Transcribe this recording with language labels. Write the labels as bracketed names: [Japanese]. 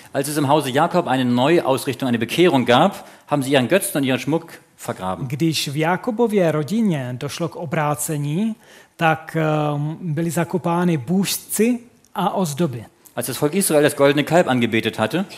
[German] Als es im Hause Jakob eine Neuausrichtung, eine Bekehrung gab, haben sie ihren Götzen und ihren Schmuck vergraben. [Czech] Když v Jakobově rodině došlo k obrácení, tak byli zakopány bůžci a ozdoby. [German] Als das Volk Israel das goldene Kalb angebetet hatte,